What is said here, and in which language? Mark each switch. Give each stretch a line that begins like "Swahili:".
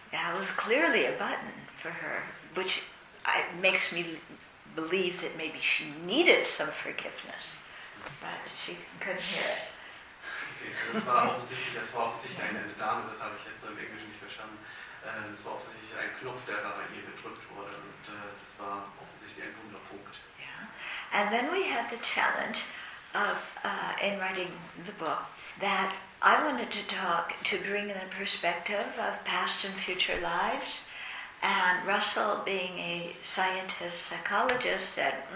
English: That was clearly a button for her, which makes me believe that maybe she needed some forgiveness, but she couldn't hear it.
German: Das war offensichtlich eine Dame, das habe ich jetzt so im Englischen nicht verstanden. Das war offensichtlich ein Knopf, der da bei ihr gedrückt wurde, und das war offensichtlich ein Wunderpunkt.
English: Yeah. And then we had the challenge of, in writing the book, that I wanted to bring in a perspective of past and future lives, and Russell, being a scientist psychologist, said,